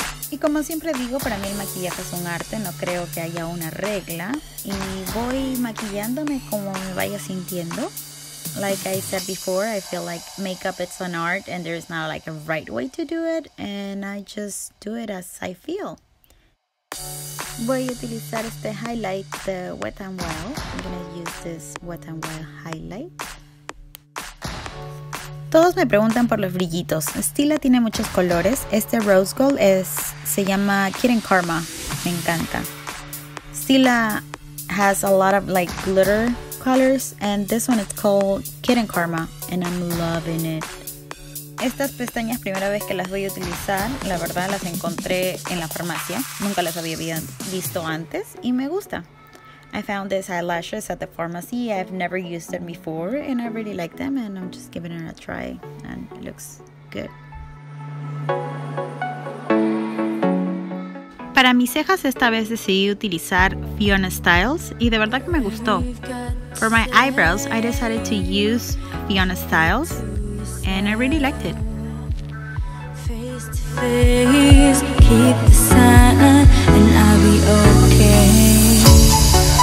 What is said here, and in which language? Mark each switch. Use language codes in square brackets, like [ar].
[es] Y como siempre digo, para mí el maquillaje es un arte, no creo que haya una regla. Y voy maquillándome como me vaya sintiendo. [en] Like I said before, I feel like makeup it's an art and there's not like a right way to do it. And I just do it as I feel. [es] Voy a utilizar este highlight, [en] the Wet n Wild. I'm gonna use this Wet n Wild highlight. [es] Todos me preguntan por los brillitos. Stila tiene muchos colores. Este Rose Gold se llama Kitten Karma. Me encanta. [en] Stila has a lot of like glitter colors. And this one is called Kitten Karma. And I'm loving it. [es] Estas pestañas, primera vez que las voy a utilizar. La verdad, las encontré en la farmacia. Nunca las había visto antes. Y me gusta. [en] I found these eyelashes at the pharmacy. I've never used them before and I really like them and I'm just giving it a try and it looks good. [es] Para mis cejas esta vez decidí utilizar Fiona Styles y de verdad que me gustó. [en] For my eyebrows, I decided to use Fiona Styles, and I really liked it. Face to face, keep the sun, and I'll be okay.